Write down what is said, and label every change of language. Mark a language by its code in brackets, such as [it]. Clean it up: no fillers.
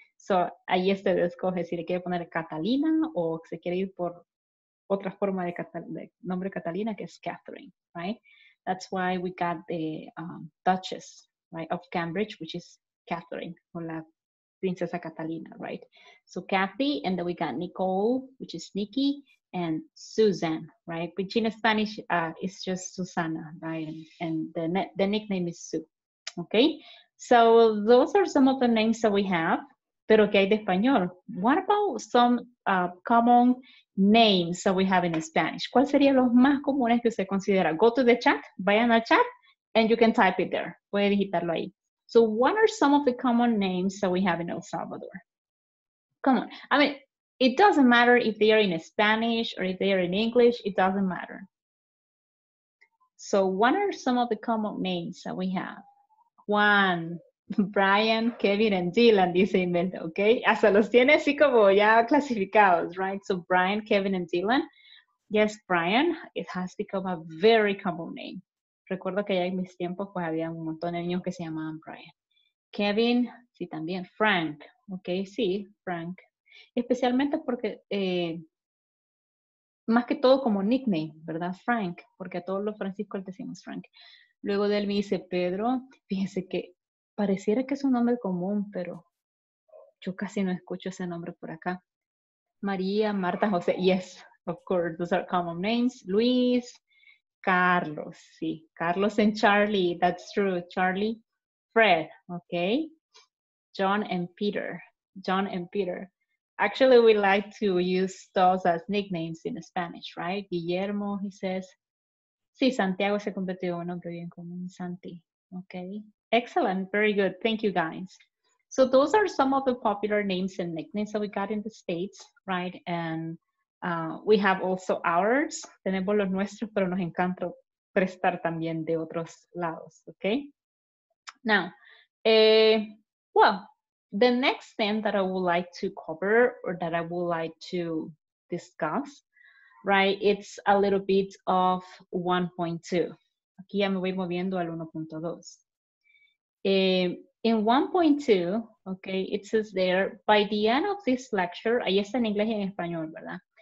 [es] So, ahí usted escoge si le quiere poner Catalina o se quiere ir por otra forma de nombre Catalina, que es Catherine, right? [en] That's why we got the Duchess, right, of Cambridge, which is Catherine, [es] o la princesa Catalina, [en] right? So, Kathy, and then we got Nicole, which is Nikki, and Susan, right? Which in Spanish is just Susana, right? And the nickname is Sue, okay? So those are some of the names that we have, [es] pero que hay de español. [en] What about some common names that we have in Spanish? [es] ¿Cuál sería los más comunes que usted considera? [en] Go to the chat, [es] vayan al chat, [en] and you can type it there. [es] Puede digitarlo ahí. [en] So what are some of the common names that we have in El Salvador? Come on. I mean, it doesn't matter if they are in Spanish or if they are in English. It doesn't matter. So what are some of the common names that we have? Juan, Brian, Kevin, and Dylan, dice Imelda, okay? [es] Hasta los tiene así como ya clasificados, right? So Brian, Kevin, and Dylan. [en] Yes, Brian, it has become a very common name. [es] Recuerdo que ya en mis tiempos pues había un montón de niños que se llamaban Brian. Kevin, sí, también. Frank, okay, sí, Frank. Especialmente porque, más que todo como nickname, ¿verdad? Frank, porque a todos los Francisco le decimos Frank. Luego de él me dice Pedro, fíjense que pareciera que es un nombre común, pero yo casi no escucho ese nombre por acá. [en] María, Marta, José, yes, of course, those are common names. Luis, Carlos, sí, Carlos and Charlie, that's true, Charlie. Fred, okay. John and Peter, John and Peter. Actually, we like to use those as nicknames in Spanish, right? Guillermo, he says. [es] Sí, Santiago se convirtió en nombre bien común, Santi. [en] Okay, excellent, very good. Thank you, guys. So those are some of the popular names and nicknames that we got in the States, right? And we have also ours. [es] Tenemos los nuestros, pero nos encanta prestar también de otros lados, okay? [en] Now, well, the next thing that I would like to cover or that I would like to discuss, right, it's a little bit of 1.2. [es] Aquí ya me voy moviendo al 1.2. [en] In 1.2, okay, it says there, by the end of this lecture, [es] ahí está en inglés y en español, ¿verdad?